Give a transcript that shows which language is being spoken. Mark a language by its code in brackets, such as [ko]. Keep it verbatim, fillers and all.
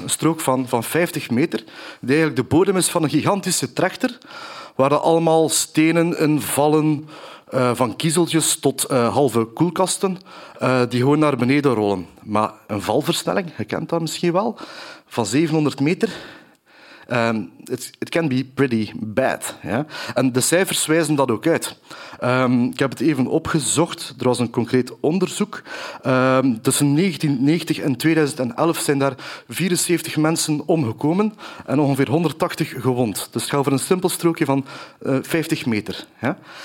[nl] Een strook van, van vijftig meter, die eigenlijk de bodem is van een gigantische trechter, waar er allemaal stenen in vallen, uh, van kiezeltjes tot uh, halve koelkasten, uh, die gewoon naar beneden rollen. Maar een valversnelling, je kent dat misschien wel, van zevenhonderd meter... [en] Um, it, it can be pretty bad. [nl] Ja? En de cijfers wijzen dat ook uit. Um, ik heb het even opgezocht. Er was een concreet onderzoek. Um, tussen negentien negentig en tweeduizend elf zijn daar vierenzeventig mensen omgekomen en ongeveer honderdtachtig gewond. Dus het gaat over een simpel strookje van uh, vijftig meter. Ja?